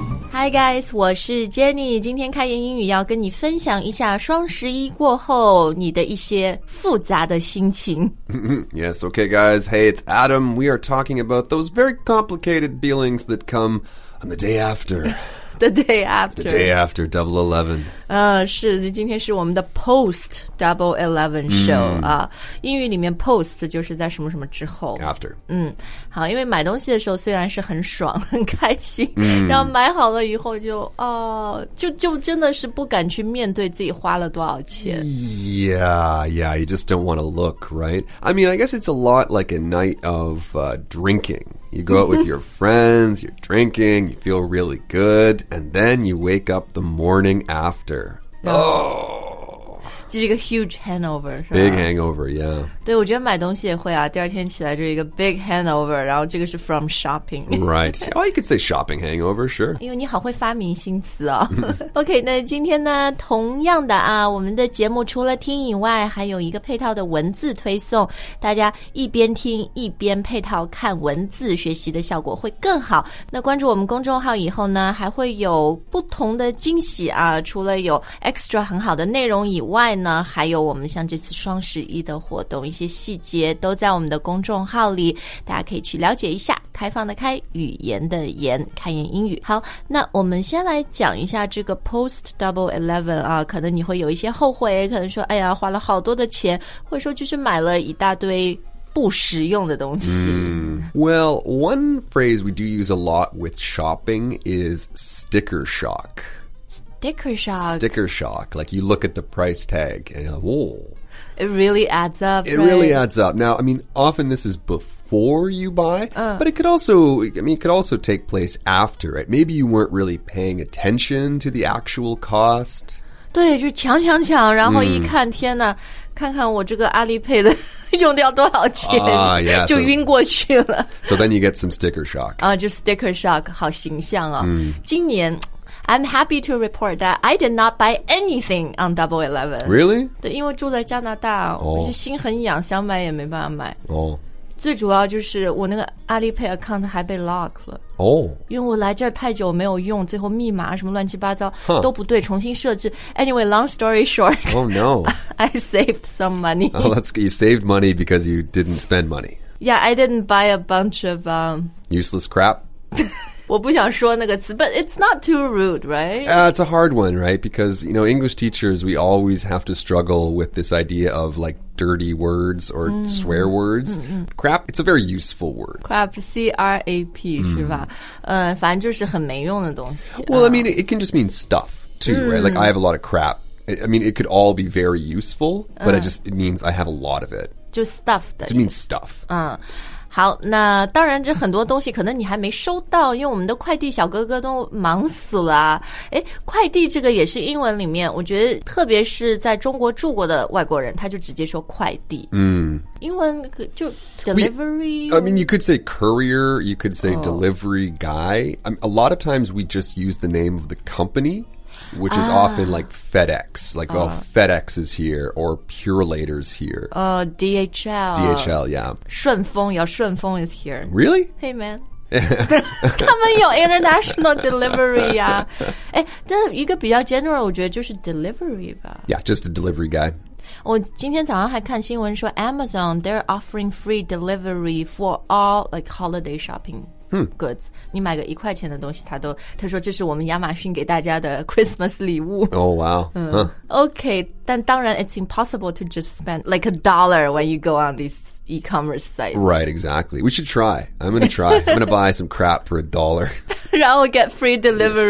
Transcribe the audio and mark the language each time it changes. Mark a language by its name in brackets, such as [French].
[English] Hi guys, [Chinese] 我是 Jenny, 今天开言英语要跟你分享一下双十一过后你的一些复杂的心情。 [English] Yes, okay guys, hey, it's Adam, we are talking about those very complicated feelings that come on the day after. The day after. The day after Double Eleven. [Chinese] 是，今天是我们的 [English] Post Double Eleven Show. [Chinese] 英语里面 Post 就是在什么什么之后。 [English] After. [Chinese] 好，因为买东西的时候虽然是很爽，很开心，然后买好了以后就真的是不敢去面对自己花了多少钱。 [English] Yeah, you just don't want to look, right? I mean, I guess it's a lot like a night of drinking. You go out with your friends, you're drinking, you feel really good, and then you wake up the morning after. [Chinese] Oh! 这是一个 [English] huge hangover, [Chinese] 是吧? [English] Big hangover, yeah. [Chinese] 对,我觉得买东西也会啊,第二天起来就是一个 [English] big hangover, [Chinese] 然后这个是 [English] from shopping. Right. Oh, you could say shopping hangover, sure. [Chinese] 因为你好会发明新词哦。OK, 那今天呢,同样的啊,我们的节目除了听以外,还有一个配套的文字推送,大家一边听一边配套看文字学习的效果会更好。那关注我们公众号以后呢,还会有不同的惊喜啊,除了有 extra 很好的内容以外呢,还有我们像这次双十一的活动。一些细节都在我们的公众号里，大家可以去了解一下。开放的开，语言的言，开言英语。好，那我们先来讲一下这个 post double eleven 啊，可能你会有一些后悔，可能说哎呀花了好多的钱，或者说就是买了一大堆不实用的东西。 [English] Well, one phrase we do use a lot with shopping is sticker shock. Sticker shock. Sticker shock. Like you look at the price tag and you're like, whoa. It really adds up, It really adds up. Now, I mean, often this is before you buy, but it could also, it could also take place after, right? Maybe you weren't really paying attention to the actual cost. [Chinese] 对，就抢抢抢，然后一看，天哪，看看我这个阿里配的用掉多少钱，就晕过去了。 [English] So then you get some sticker shock. [Chinese] 就 sticker shock, 好形象哦。 [English] 今年I'm happy to report that I did not buy anything on Double Eleven. Really? [Chinese] 对，因为住在加拿大，我就心很痒，想买也没办法买。最主要就是我那个 Alipay account 还被 lock 了。因为我来这儿太久没有用，最后密码什么乱七八糟都不对，重新设置。 [English] Anyway, long story short. Oh no. I saved some money. Oh, that's good. You saved money because you didn't spend money. Yeah, I didn't buy a bunch of useless crap. [Chinese] 我不想说那个词 [English] but it's not too rude, right? It's a hard one, right? Because, you know, English teachers, we always have to struggle with this idea of, like, dirty words or swear words. Crap, it's a very useful word. Crap, C-R-A-P, [Chinese] 是吧? 反正就是很没用的东西。 [English] Well, I mean, it can just mean stuff, too, right? Like, I have a lot of crap. I mean, it could all be very useful, but it means I have a lot of it. [Chinese] 就 stuff 的。 [English] It means stuff. [Chinese] 好，那当然这很多东西可能你还没收到，因为我们的快递小哥哥都忙死了。诶，快递这个也是英文里面，我觉得特别是在中国住过的外国人，他就直接说快递。英文就 delivery? [English] I mean, you could say courier, you could say delivery guy. A lot of times we just use the name of the company. Which is often like FedEx, like, FedEx is here, or Purelater's here. DHL. DHL, yeah. 顺丰, yeah, 顺丰 is here. Really? Hey, man. [Chinese] 他们有 international delivery 啊。哎，但一个比较 general, 我觉得就是 delivery 吧。 [English] Yeah, just a delivery guy. [Chinese] 我今天早上还看新闻说 [English] Amazon, they're offering free delivery for all like holiday shopping goods. [Chinese] 你买个一块钱的东西他说这是我们亚马逊给大家的 Christmas 礼物。 [English] OK, [Chinese] 但当然 [English] it's impossible to just spend like a dollar when you go on these e-commerce sites. Right, exactly. We should try. I'm going to try. I'm going to buy some crap for a dollar. [Chinese] 然后 [English] get free delivery.